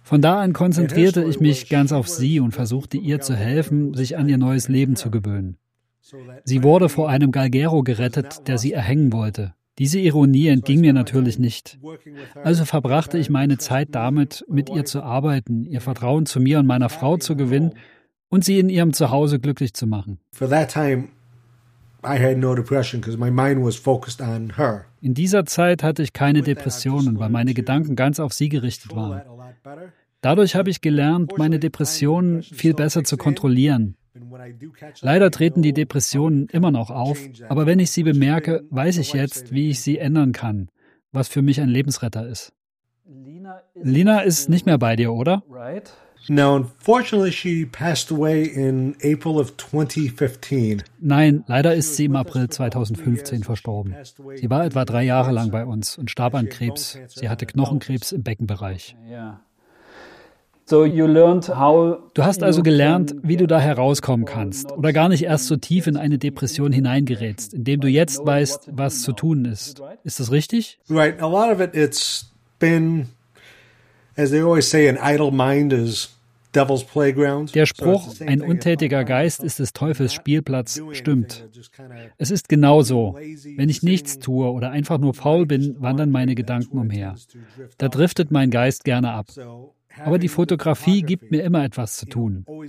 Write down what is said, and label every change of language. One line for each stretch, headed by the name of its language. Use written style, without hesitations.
German: Von da an konzentrierte ich mich ganz auf sie und versuchte ihr zu helfen, sich an ihr neues Leben zu gewöhnen. Sie wurde vor einem Galgero gerettet, der sie erhängen wollte. Diese Ironie entging mir natürlich nicht. Also verbrachte ich meine Zeit damit, mit ihr zu arbeiten, ihr Vertrauen zu mir und meiner Frau zu gewinnen und sie in ihrem Zuhause glücklich zu machen.
English: For that time, I had no depression because my mind was focused on her.
German: In dieser Zeit hatte ich keine Depressionen, weil meine Gedanken ganz auf sie gerichtet waren. Dadurch habe ich gelernt, meine Depressionen viel besser zu kontrollieren. Leider treten die Depressionen immer noch auf, aber wenn ich sie bemerke, weiß ich jetzt, wie ich sie ändern kann, was für mich ein Lebensretter ist. Lina ist nicht mehr bei dir, oder?
English: Now, unfortunately, she passed away in April of 2015.
German: Nein, leider ist sie im April 2015 verstorben. Sie war etwa 3 Jahre lang bei uns und starb an Krebs. Sie hatte Knochenkrebs im Beckenbereich. Du hast also gelernt, wie du da herauskommen kannst oder gar nicht erst so tief in eine Depression hineingerätst, indem du jetzt weißt, was zu tun ist. Ist das richtig?
English: Right. A lot of it, it's been, as they always say, an idle mind is devil's playground.
German: Der Spruch, ein untätiger Geist ist des Teufels Spielplatz, stimmt. Es ist genau so. Wenn ich nichts tue oder einfach nur faul bin, wandern meine Gedanken umher. Da driftet mein Geist gerne ab. Aber die Fotografie gibt mir immer etwas zu tun.